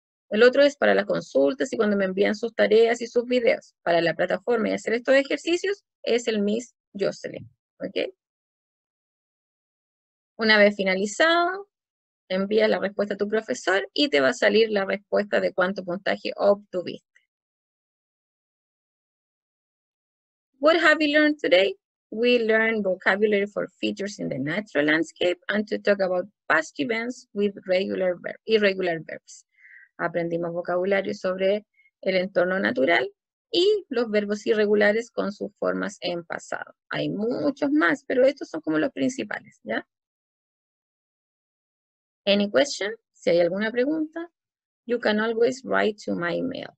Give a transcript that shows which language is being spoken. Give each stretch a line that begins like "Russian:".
Spanish: El otro es para las consultas y cuando me envían sus tareas y sus videos para la plataforma y hacer estos ejercicios, es el Miss Jocelyn, ¿ok? Una vez finalizado, envía la respuesta a tu profesor y te va a salir la respuesta de cuánto puntaje obtuviste.
English: What have you learned today? We learned vocabulary for features in the natural landscape and to talk about past events with regular verbs, irregular verbs.
Spanish: Aprendimos vocabulario sobre el entorno natural y los verbos irregulares con sus formas en pasado. Hay muchos más, pero estos son como los principales, ¿ya?
English: Any question?
Spanish: Si Si hay alguna pregunta,
English: you can always write to my email.